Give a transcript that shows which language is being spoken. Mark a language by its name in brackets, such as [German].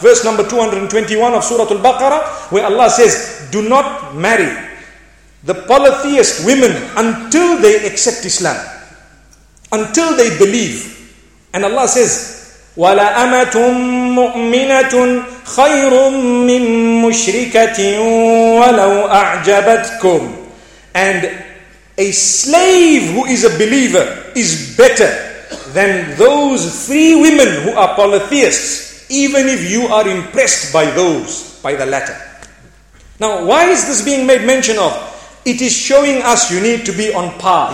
[English] Verse number 221 of Surah Al-Baqarah, where Allah says, do not marry the polytheist women until they accept Islam, until they believe. And Allah says, [Arabic] وَلَا أَمَةٌ مُؤْمِنَةٌ خَيْرٌ مِّن مُشْرِكَةٍ وَلَوْ أَعْجَبَتْكُمْ. [English] And a slave who is a believer is better than those three women who are polytheists, even if you are impressed by those, by the latter. Now, why is this being made mention of? It is showing us you need to be on par.